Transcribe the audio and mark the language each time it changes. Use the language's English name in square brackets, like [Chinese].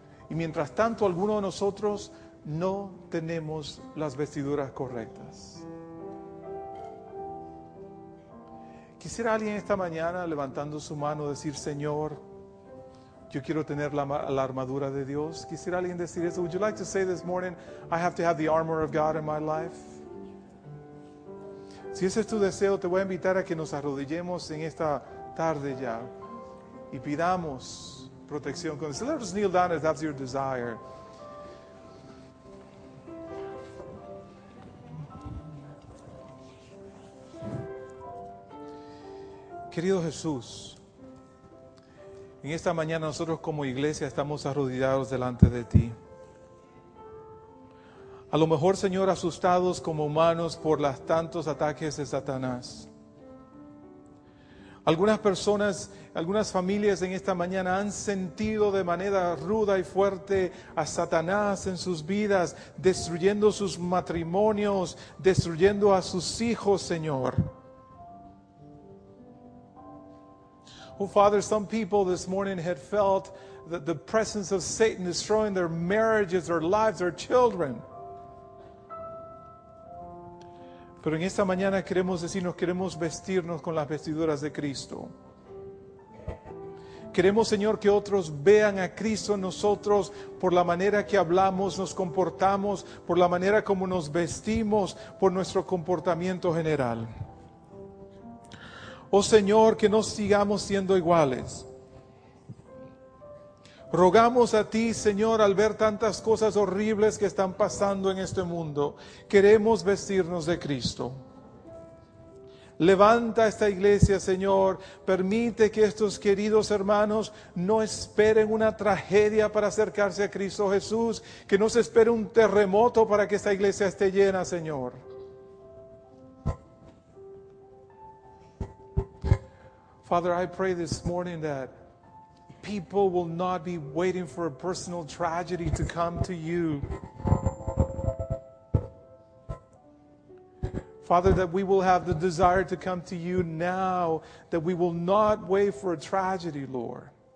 [Spanish] Y mientras tanto, algunos de nosotros no tenemos las vestiduras correctas. ¿Quisiera alguien esta mañana levantando su mano decir, Señor, yo quiero tener la armadura de Dios? ¿Quisiera alguien decir eso? [English] Would you like to say this morning, I have to have the armor of God in my life? [Spanish] Si ese es tu deseo, te voy a invitar a que nos arrodillemos en esta tarde ya y pidamos protección. [English] So let us kneel down if that's your desire. [Spanish] Querido Jesús, en esta mañana nosotros como iglesia estamos arrodillados delante de ti. A lo mejor, Señor, asustados como humanos por los tantos ataques de Satanás. Algunas personas, algunas familias en esta mañana han sentido de manera ruda y fuerte a Satanás en sus vidas, destruyendo sus matrimonios, destruyendo a sus hijos, Señor. [English] Oh, Father, some people this morning had felt the presence of Satan destroying their marriages, their lives, their children. [Spanish] Pero en esta mañana queremos decirnos, queremos vestirnos con las vestiduras de Cristo. Queremos, Señor, que otros vean a Cristo en nosotros por la manera que hablamos, nos comportamos, por la manera como nos vestimos, por nuestro comportamiento general. Oh Señor, que no sigamos siendo iguales. Rogamos a ti, Señor, al ver tantas cosas horribles que están pasando en este mundo. Queremos vestirnos de Cristo. Levanta esta iglesia, Señor. Permite que estos queridos hermanos no esperen una tragedia para acercarse a Cristo Jesús. Que no se espere un terremoto para que esta iglesia esté llena, Señor. [English] Father, I pray this morning that people will not be waiting for a personal tragedy to come to you. Father, that we will have the desire to come to you now, that we will not wait for a tragedy, Lord.